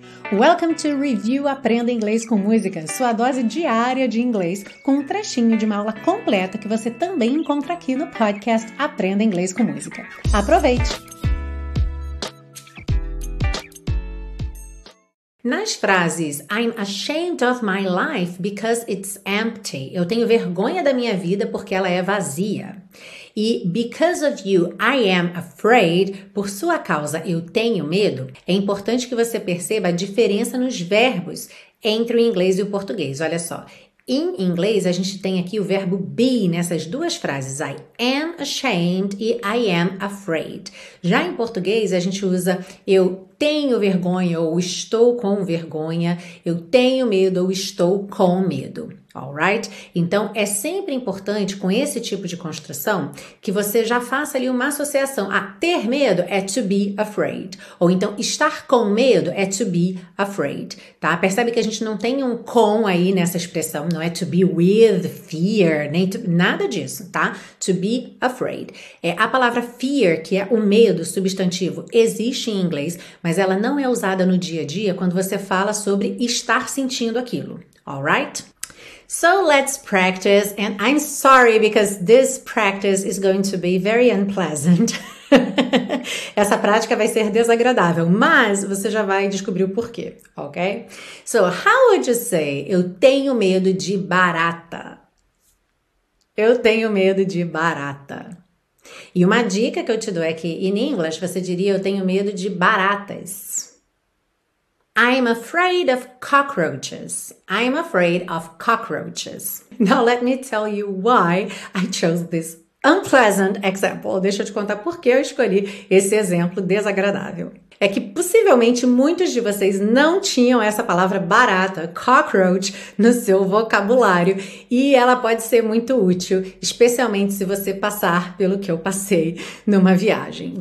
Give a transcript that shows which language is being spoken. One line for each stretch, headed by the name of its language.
English: Welcome to
Portuguese: Review Aprenda Inglês com Música, sua dose diária de inglês, com um trechinho de uma aula completa que você também encontra aqui no podcast Aprenda Inglês com Música. Aproveite! Nas frases,
English: I'm ashamed of my life because it's empty.
Portuguese: Eu tenho vergonha da minha vida porque ela é vazia.
English: E because of you, I am afraid.
Portuguese: Por sua causa, eu tenho medo. É importante que você perceba a diferença nos verbos entre o inglês e o português. Olha só. Em inglês, a gente tem aqui o verbo be nessas duas frases.
English: I am ashamed e I am afraid.
Portuguese: Já em português, a gente usa eu tenho vergonha ou estou com vergonha. Eu tenho medo ou estou com medo. Alright? Então, é sempre importante com esse tipo de construção que você já faça ali uma associação. Ah, ter medo é to be afraid. Ou então, estar com medo é to be afraid. Tá? Percebe que a gente não tem um com aí nessa expressão. Não é
English: to be with fear,
Portuguese: nem nada disso, tá? To be afraid. É, a palavra fear, que é o medo, substantivo, existe em inglês, mas ela não é usada no dia a dia quando você fala sobre estar sentindo aquilo.
English: Alright? So let's practice, and I'm sorry because this practice is going to be very unpleasant.
Portuguese: Essa prática vai ser desagradável, mas você já vai descobrir o porquê, ok?
English: So how would you say,
Portuguese: eu tenho medo de barata? Eu tenho medo de barata. E uma dica que eu te dou é que, in English, você diria, eu tenho medo de baratas.
English: I'm afraid of cockroaches. I'm afraid of cockroaches. Now let me tell you why I chose this unpleasant example.
Portuguese: Deixa eu te contar por que eu escolhi esse exemplo desagradável. É que possivelmente muitos de vocês não tinham essa palavra barata, cockroach, no seu vocabulário. E ela pode ser muito útil, especialmente se você passar pelo que eu passei numa viagem.